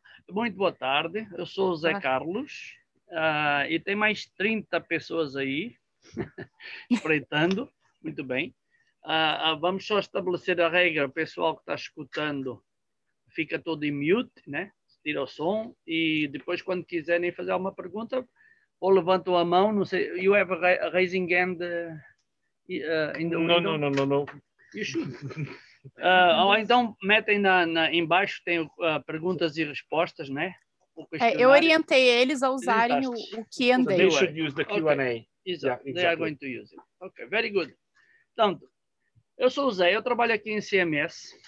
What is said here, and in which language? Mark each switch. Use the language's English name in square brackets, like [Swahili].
[Portuguese] Muito boa tarde. Eu sou o Zé Carlos. E tem mais 30 pessoas aí. Espreitando. Muito bem. Vamos só estabelecer a regra. O pessoal que está escutando fica todo em mute, né? Tira o som e depois, quando quiserem fazer alguma pergunta, ou levantam a mão, não sei. [English] You have a raising hand in the window? [Portuguese] Não. [English] You should. [Portuguese] Ou então, metem embaixo, tem perguntas e respostas, né? Eu orientei eles a usarem o Q&A. [English] They should use the Q&A. Okay. Exactly. They are going to use it. Okay, very good. [Portuguese] Então, eu sou o Zé, eu trabalho aqui em CMS.